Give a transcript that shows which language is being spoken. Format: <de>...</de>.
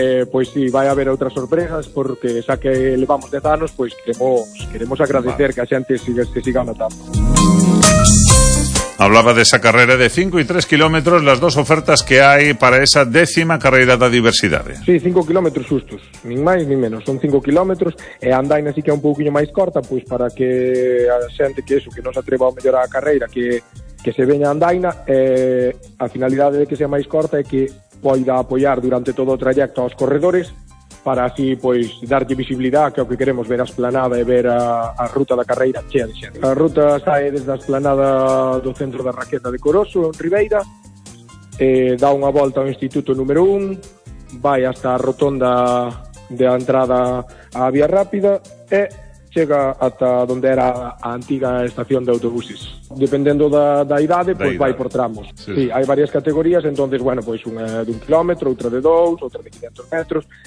<gl>pois si vai haber outras sorpresas, porque xa que levamos 10 anos, pois queremos agradecer, vale, que a xente siga, se siga notando.</gl> <es>Hablaba de esa carrera de 5 y 3 kilómetros, las dos ofertas que hay para esa décima carrera da diversidade.</es> <gl>Sí, 5 kilómetros xustos, nin máis nin menos, son 5 kilómetros, e a andaina sí que é un pouquinho máis corta, pois para que a xente que eso, que non se atreva a mellorar a carreira, que se veña a andaina, a finalidade de que sea máis corta é que poida apoiar durante todo o trayecto aos corredores, para así, pois, darlle visibilidade, que é o que queremos, ver a esplanada e ver a ruta da carreira chea de xente. A ruta sae desde a esplanada do centro da Raqueta de Coroso, en Ribeira, dá unha volta ao Instituto número 1, vai hasta a rotonda de entrada á Vía Rápida e chega ata onde era a antiga estación de autobuses. Dependendo da idade, pois vai por tramos. Sí, hai varias categorías, entonces, bueno, pois unha de un kilómetro, outra de dous, outra de 500 metros.</gl>